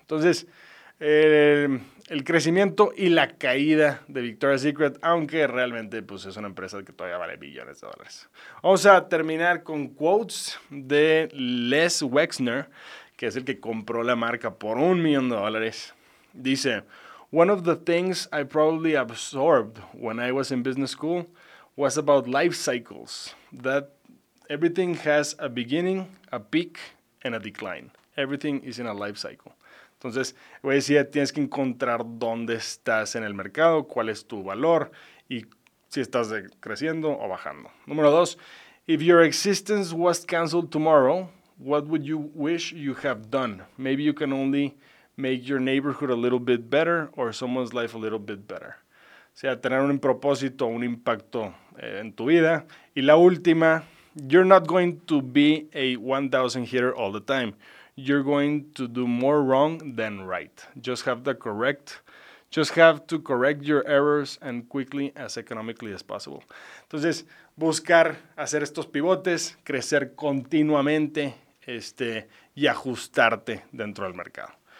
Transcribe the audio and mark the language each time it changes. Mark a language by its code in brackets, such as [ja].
[es] Entonces, el crecimiento y la caída de Victoria's Secret, aunque realmente pues, es una empresa que todavía vale billones de dólares. Vamos a terminar con quotes de Les Wexner, que es el que compró la marca por $1 million. [en] Dice: "One of the things I probably absorbed when I was in business school was about life cycles, that everything has a beginning, a peak, and a decline. Everything is in a life cycle." [es] Entonces, voy a decir, tienes que encontrar dónde estás en el mercado, cuál es tu valor, y si estás creciendo o bajando. Número dos, [en] "If your existence was canceled tomorrow, what would you wish you have done? Maybe you can only make your neighborhood a little bit better or someone's life a little bit better." [es] O sea, tener un propósito, un impacto en tu vida. Y la última, [en] "You're not going to be a 1,000 hitter all the time. You're going to do more wrong than right. Just have to correct your errors and quickly as economically as possible." [es] Entonces, buscar hacer estos pivotes, crecer continuamente y ajustarte dentro del mercado.